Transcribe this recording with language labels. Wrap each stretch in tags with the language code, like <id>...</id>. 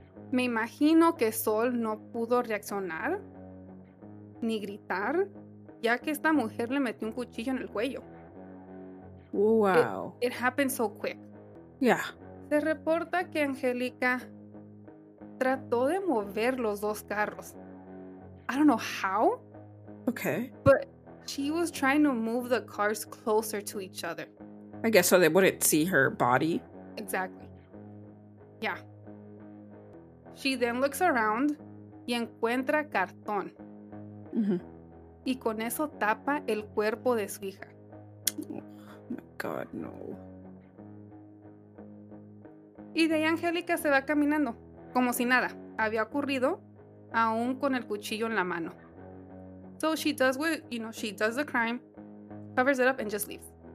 <es>Me imagino que Sol no pudo reaccionar ni gritar, ya que esta mujer le metió un cuchillo en el cuello.</es> <en>Wow. It happened so quick. Yeah.</en> <es>Se reporta que Angélica trató de mover los dos carros.</es> <en>I don't know how. Okay. But she was trying to move the cars closer to each other. I guess so they wouldn't see her body. Exactly. Yeah. She then looks around</en> <es>y encuentra cartón.</es> <en>Mm-hmm.</en> <es>Y con eso tapa el cuerpo de su hija.</es> <en>Oh my God, no.</en> <es>Y de ahí Angélica se va caminando, como si nada había ocurrido, aún con el cuchillo en la mano.</es> <en>So she does what, you know, she does the crime, covers it up, and just leaves.</en>